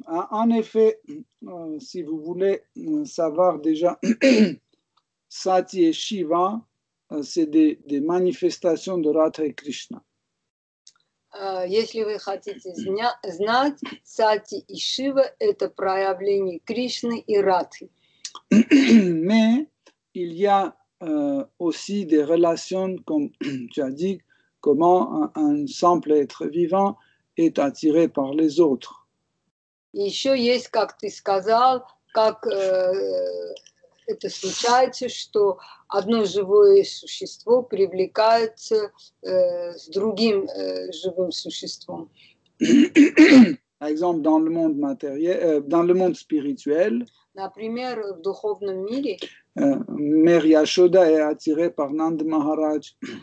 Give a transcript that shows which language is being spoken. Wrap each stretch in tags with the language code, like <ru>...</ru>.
<fr>En effet, si vous voulez savoir déjà, Sati et Shiva, c'est des manifestations de Radha et Krishna.</fr> <ru>Если вы хотите знать, Сати и Шива – это проявление Кришны и Радхи.</ru> <fr>Mais il y a aussi des relations, comme tu as dit, comment un simple être vivant est attiré par les autres.</fr> <ru>Еще есть, как ты сказал, как это случается, что одно живое существо привлекается с другим живым существом.</ru> <fr>Par exemple, dans le monde matériel, dans le monde spirituel,</fr> <ru>например, в духовном мире,</ru> <fr>Мэр Яшода est attirée par Нанда Махарадж.</fr>